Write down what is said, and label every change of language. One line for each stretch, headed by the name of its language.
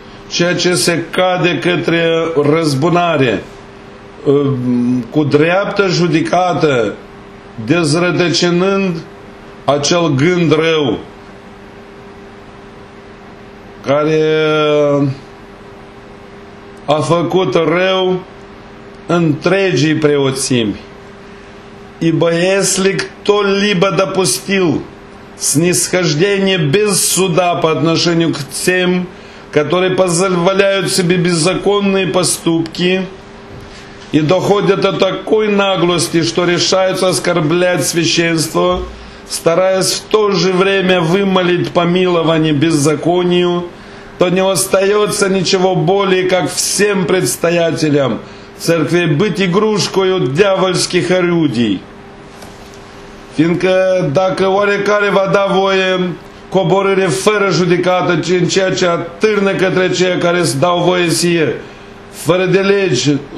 Romanian: Ceea ce se cade către răzbunare, cu dreaptă judicată, dezrătăcinând acel gând rău, care a făcut rău întregii preoțimi.
Russian: И боеслик то либо допустил снисхождение без суда по отношению к тем, которые позволяют себе беззаконные поступки и доходят до такой наглости, что решаются оскорблять священство, стараясь в то же время вымолить помилование беззаконию, то не остается ничего более, как всем предстоятелям церкви быть игрушкой дьявольских орудий.
Romanian: Fiindcă dacă oarecare va da voie coborâre fără judecată în ceea ce atârnă către cei care îți dau voie ție, fără de legi,